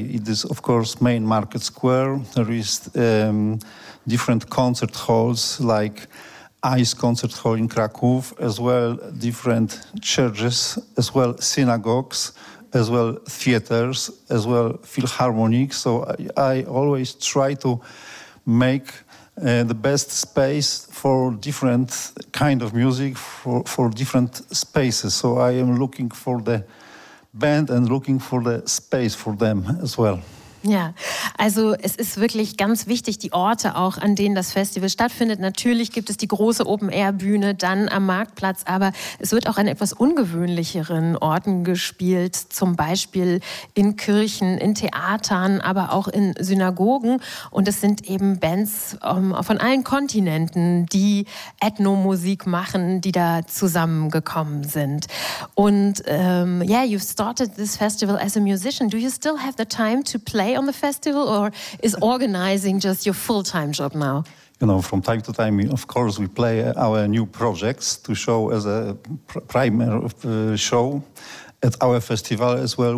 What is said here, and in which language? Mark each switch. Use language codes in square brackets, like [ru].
[en] It is, of course, main market square. There is different concert halls like Ice Concert Hall in Krakow, as well different churches, as well synagogues, as well theaters, as well philharmonic. So I always try to make the best space for different kind of music, for different spaces. So I am looking for the band and looking for the space for them as well. [de] Ja, also es ist wirklich ganz wichtig, die Orte auch, an denen das Festival stattfindet. Natürlich gibt es die große Open-Air-Bühne dann am Marktplatz, aber es wird auch an etwas ungewöhnlicheren Orten gespielt, zum Beispiel in Kirchen, in Theatern, aber auch in Synagogen. Und es sind eben Bands von allen Kontinenten, die Ethnomusik machen, die da zusammengekommen sind. [en] Und yeah, you've started this festival as a musician. Do you still have the time to play on the festival, or is organizing just your full-time job now? You know, from time to time, of course, we play our new projects to show as a primer show at our festival as well.